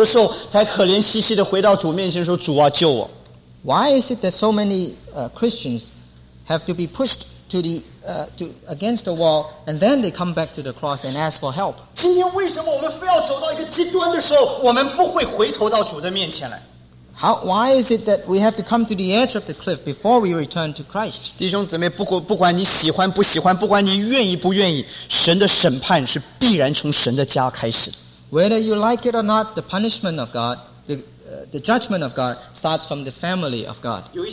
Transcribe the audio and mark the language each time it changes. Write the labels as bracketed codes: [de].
[zh] 为什么今天的基督徒，也许包括我们传道人在内，非要到了一个无路可走的时候，才可怜兮兮的回到主面前说：“主啊，救我！” [en] Why is it that so many Christians have to be pushed to the against the wall, and then they come back to the cross and ask for help? [zh] 今天为什么我们非要走到一个极端的时候，我们不会回头到主的面前来？ [en] Why is it that we have to come to the edge of the cliff before we return to Christ? [zh] 弟兄姊妹，不管你喜欢不喜欢，不管你愿意不愿意，神的审判是必然从神的家开始。 [en] Whether you like it or not, the punishment of God, the judgment of God starts from the family of God.